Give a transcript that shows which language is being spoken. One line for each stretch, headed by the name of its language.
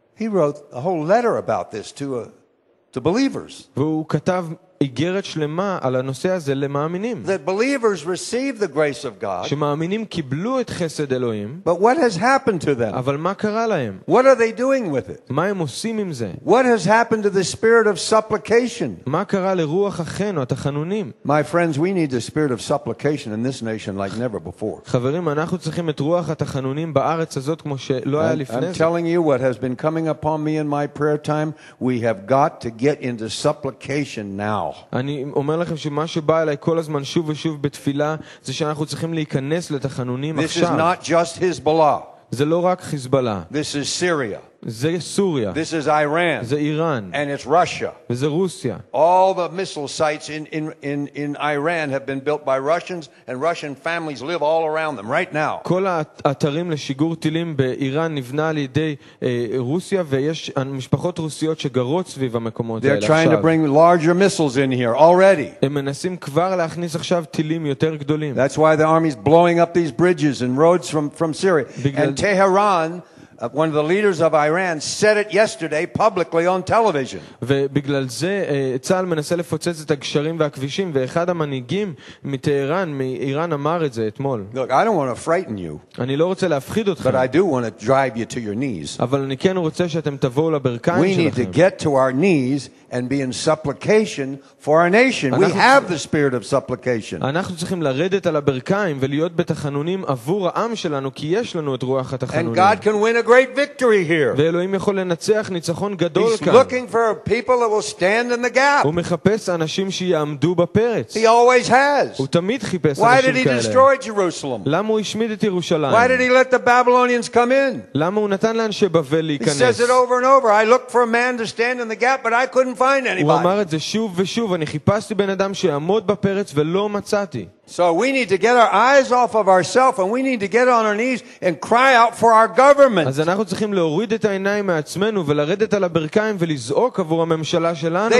English: He wrote a whole letter about this to believers.
Hebrew: והוא כתב איגרת שלמה על הנושא הזה למאמינים.
English: That believers received the grace of God.
Hebrew: שמאמינים קיבלו את חסד אלוהים.
English: But what has happened to them?
Hebrew: אבל מה קרה להם?
English: What are they doing with it?
Hebrew: מה הם עושים עם זה?
English: What has happened to the spirit of supplication?
Hebrew: מה קרה לרוח החן או התחנונים?
English: My friends, we need the spirit of supplication in this nation like never before.
Hebrew: חברים, אנחנו צריכים את רוח התחנונים בארץ הזאת כמו שלא היה לפני.
English: I'm telling you what has been coming upon me in my prayer time, we have got to get into supplication now.
Hebrew: אני אומר לכם שמה שבא אליי כל הזמן שוב ושוב בתפילה זה שאנחנו צריכים להיכנס לתחנונים עכשיו.
English: This is not just Hezbollah.
Hebrew: זה לא רק חיזבאללה.
English: This is Syria.
Hebrew: זה סוריה.
English: This is Iran.
Hebrew: זה איראן.
English: And it's Russia.
Hebrew: וזה רוסיה.
English: All the missile sites in Iran have been built by Russians and Russian families live all around them right now.
Hebrew: כל האתרים לשיגור טילים באיראן נבנה על ידי רוסיה ויש משפחות רוסיות שגרות סביב המקומות האלה.
English: They're trying to bring larger missiles in here already.
Hebrew: הם מנסים כבר להכניס עכשיו טילים יותר גדולים.
English: That's why the army's blowing up these bridges and roads from Syria. And Tehran, one of the leaders of Iran, said it yesterday publicly on television.
Hebrew: ובגלל זה צהל מנסה לפוצץ את הגשרים והכבישים ואחד המנהיגים מטהרן מאיראן אמר את זה אתמול.
English: Look, I don't want to frighten you.
Hebrew: אני לא רוצה להפחיד אתכם.
English: But I do want to drive you to your knees.
Hebrew: אבל אני כן רוצה שאתם תבואו לברכיים שלכם.
English: We need to get to our knees and be in supplication for our nation. We have the spirit of supplication.
Hebrew: אנחנו צריכים לרדת על הברכיים ולהיות בתחנונים עבור העם שלנו כי יש לנו את רוח התחנונים.
English: And God can win a great victory here.
Hebrew: ואלוהים יכול לנצח ניצחון גדול כאן.
English: He's looking for people that will stand in the gap.
Hebrew: הוא מחפש אנשים שיעמדו בפרץ.
English: He always has.
Hebrew: הוא תמיד חיפש אנשים כאלה.
English: Why did he destroy Jerusalem?
Hebrew: למה הוא השמיד את ירושלים?
English: Why did he let the Babylonians come in?
Hebrew: למה הוא נתן לאנשי בבל להיכנס?
English: He says it over and over. I looked for a man to stand in the gap, but I couldn't find anybody.
Hebrew: הוא אמר את זה שוב ושוב. אני חיפשתי בן אדם שיעמוד בפרץ ולא מצאתי.
English: So we need to get our eyes off of ourselves and we need to get on our knees and cry out for our government.
Hebrew: אז אנחנו צריכים להוריד את העיניים מעצמנו ולרדת על הברכיים ולזעוק עבור הממשלה שלנו.